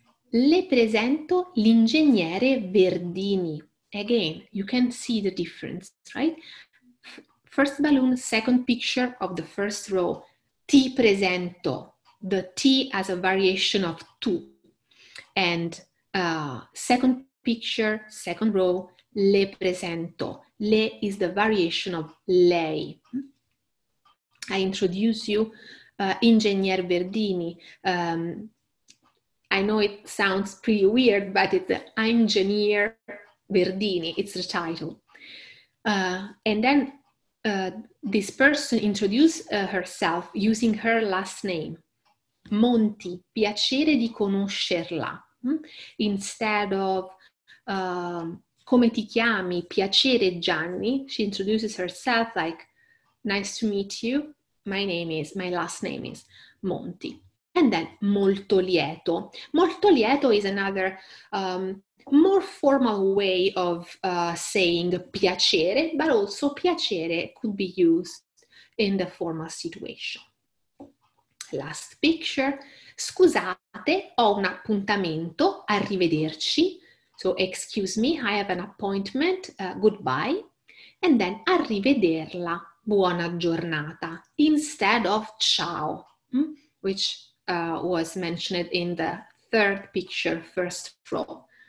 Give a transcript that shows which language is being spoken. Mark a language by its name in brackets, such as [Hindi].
[Italian] Le presento l'ingegnere Verdini. [English] Again, you can see the difference, right? First balloon, second picture of the first row. [Italian] Ti presento. [English] The T as a variation of tu. And second picture, second row, [Italian] le presento. [English] Le is the variation of lei. I introduce you Ingegner Verdini. I know it sounds pretty weird, but it's Ingegner Verdini, it's the title. And then this person introduced herself using her last name. [Italian] Monti, piacere di conoscerla. [English] Instead of [Italian] come ti chiami, piacere Gianni, [English] she introduces herself like, nice to meet you. My last name is Monti. And then [Italian] molto lieto. Molto lieto [English] is another more formal way of saying piacere, but also piacere could be used in the formal situation. Last picture. [Italian] Scusate, ho un appuntamento. Arrivederci. [English] So excuse me, I have an appointment. Goodbye. And then arrivederla. [Italian] Buona giornata, [English] instead of ciao, which was mentioned in the third picture, first row.